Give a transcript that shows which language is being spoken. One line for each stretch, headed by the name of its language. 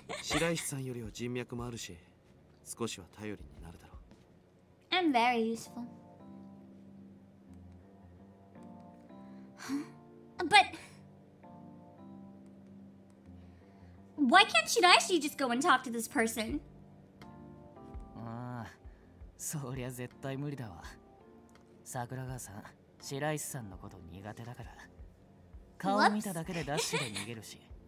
Japanese: 白石さんよりは人脈もあるし、少しは頼りになるだろう。
English: I'm very useful. But why can't Shiraishi just go and talk to this person? Ah, so yeah,
Japanese: 絶対無理だわ。桜川さん、白石さんのこと苦手だから。顔見ただけでダッシュで逃げるし。